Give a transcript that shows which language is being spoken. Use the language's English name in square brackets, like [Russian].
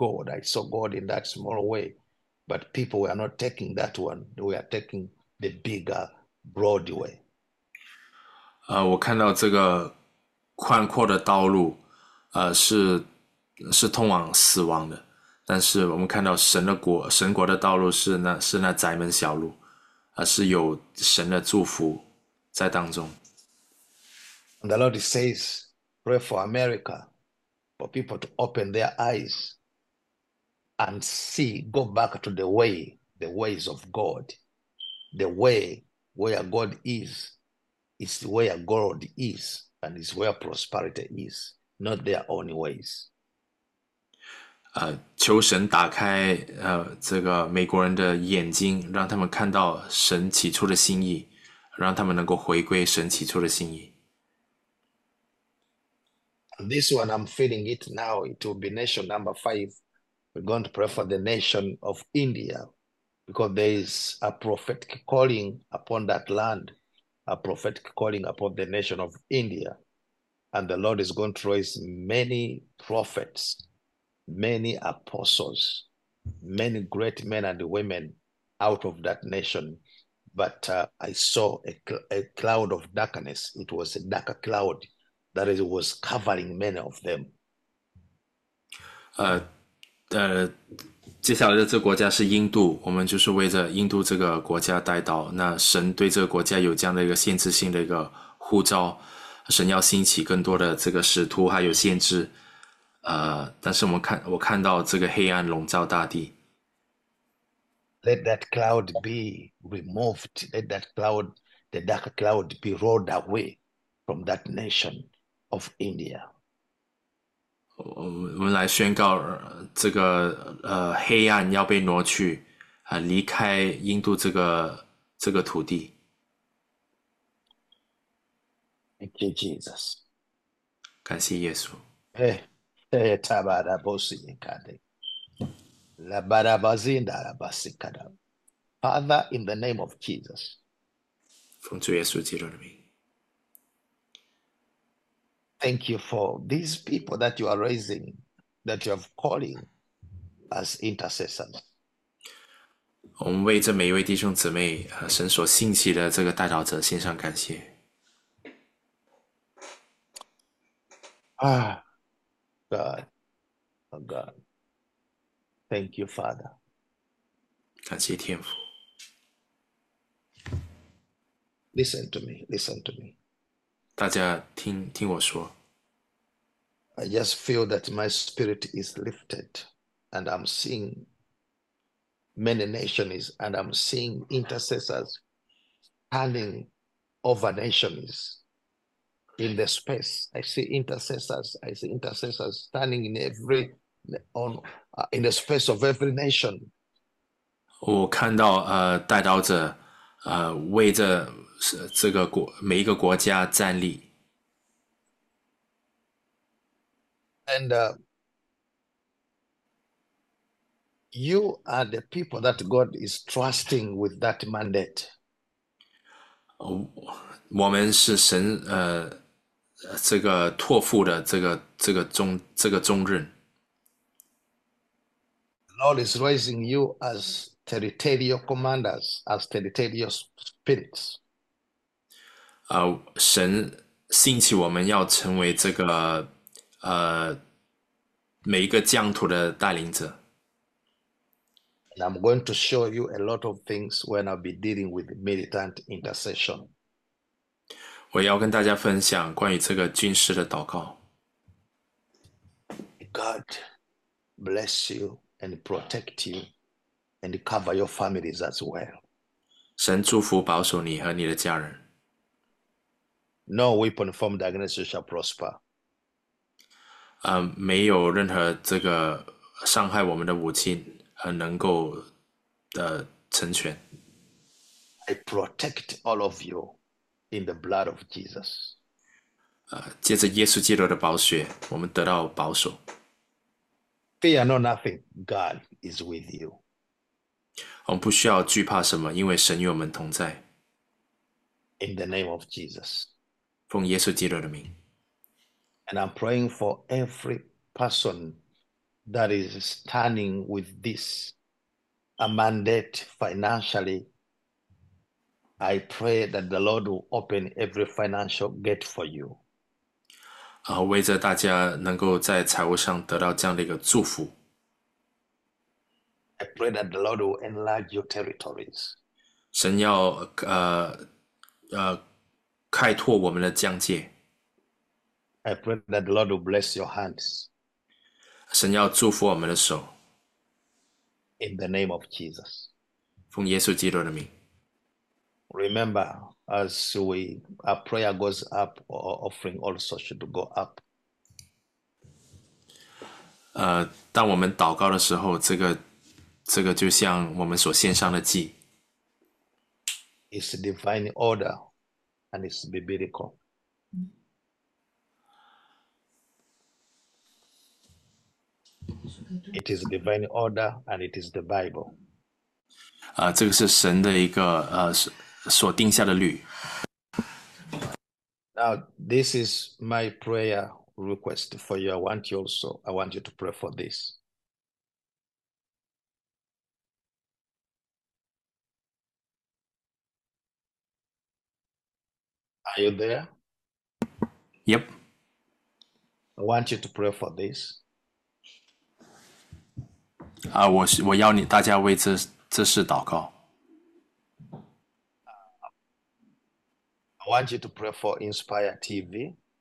[English] I saw gold in that small way, but people were not taking that one, they were taking the bigger, broad way. [Chinese] 我看到这个宽阔的道路，是通往死亡的。但是我们看到神国的道路是那窄门小路，是有神的祝福在当中。 [English] And the Lord says, pray for America, for people to open their eyes and see, go back to the way, the ways of God, the way where God is where God is, and is where prosperity is, not their own ways. [Chinese] 求神打开这个美国人的眼睛，让他们看到神起初的心意，让他们能够回归神起初的心意。 [English] This one, I'm feeling it now. It will be nation number five. We're going to pray for the nation of India because there is a prophetic calling upon that land, a prophetic calling upon the nation of India. And the Lord is going to raise many prophets, many apostles, many great men and women out of that nation. But I saw a cloud of darkness. It was a darker cloud. That it was covering many of them. [Chinese] 接下来的这个国家是印度，我们就是为着印度这个国家带到。那神对这个国家有这样的一个限制性的一个呼召，神要兴起更多的这个使徒，还有先知。但是我看到这个黑暗笼罩大地。 [English] Let that cloud be removed. Let that cloud, the dark cloud, be rolled away from that nation of India. [Chinese] 我们来宣告，这个黑暗要被挪去，离开印度这个土地。 [English] Thank you, Jesus. [Chinese] 感谢耶稣。 Hey, Tabara Bosinikade. Labarabazinda Rabasikada. [English] Father, in the name of Jesus, [Chinese] 奉主耶稣基督的名。 [English] thank you for these people that you are raising, that you are calling as intercessors. [Chinese] 我们为这每一位弟兄姊妹和神所兴起的这个代祷者献上感谢。 [English] Ah, God, oh God, thank you, Father. [Chinese] 感谢天父。 [English] Listen to me, listen to me. [Chinese] 大家听听我说。 [English] I just feel that my spirit is lifted and I'm seeing many nations and I'm seeing intercessors standing over nations in the space. I see intercessors standing in every on in the space of every nation. [Chinese] 我看到代祷者为着这个国每一个国家站立。 [English] And you are the people that God is trusting with that mandate. [Chinese] 我们是神这个托付的这个重任。 [English] Lord is raising you as territorial commanders, as territorial spirits. [Chinese] 神兴起我们要成为这个每一个疆土的带领者。 [English] I'm going to show you a lot of things when I'll be dealing with militant intercession. [Chinese] 我要跟大家分享关于这个军事的祷告。 [English] God bless you and protect you and cover your families as well. [Chinese] 神祝福保守你和你的家人。 [English] No weapon formed against you shall prosper. [Chinese] 没有任何这个伤害我们的武器能够成全。 [English] I protect all of you in the blood of Jesus. [Chinese] 借着耶稣基督的宝血，我们得到保守。 [English] Fear no nothing, God is with you. [Chinese] 我们不需要惧怕什么，因为神与我们同在。 [English] In the name of Jesus. [Chinese] 奉耶稣基督的名。 [English] And I'm praying for every person that is standing with this a mandate financially. I pray that the Lord will open every financial gate for you. [Chinese] 为着大家能够在财务上得到这样的一个祝福， [English] I pray that the Lord will enlarge your territories. [Chinese] 神要开拓我们的疆界， [English] I pray that the Lord will bless your hands. [Chinese] 神要祝福我们的手， [English] In the name of Jesus. [Chinese] 奉耶稣基督的名。 [English] Remember, as we our prayer goes up, our offering also should go up. [Chinese] 当我们祷告的时候，这个就像我们所献上的祭。 [English] It's a divine order and it's biblical. It is divine order and it is the Bible. [Chinese] 这个是神的一个所定下的律。 [English] Now, this is my prayer request for you. I want you to pray for this. Are you there? Yep. want you to pray for this. [Chinese] 我要你大家为这事祷告。 [English] I want you to pray for Inspire TV.